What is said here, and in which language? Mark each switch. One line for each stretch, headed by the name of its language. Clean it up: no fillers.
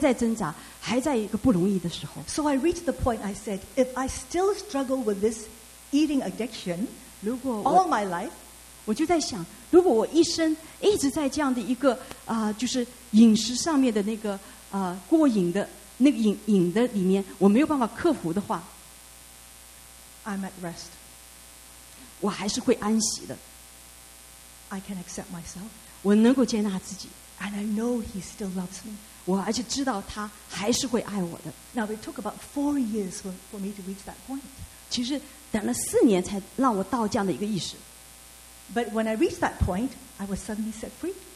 Chinese: 所以我能够寻找到他，当我还在挣扎，还在一个不容易的时候。
English: So I reached the point I said, if I still struggle with this eating addiction all my life,
Chinese: 我就在想，如果我一生一直在这样的一个就是饮食上面的那个过瘾的里面，我没有办法克服的话，
English: I'm at rest.
Chinese: 我还是会安息的。
English: I can accept myself.
Chinese: 我能够接纳自己。
English: And I know he still loves me.
Chinese: 我而且知道他还是会爱我的。
English: Now it took about 4 years for me to reach that point.
Chinese: 其实等了4年才让我到这样的一个意识。
English: But when I reached that point, I was suddenly set free.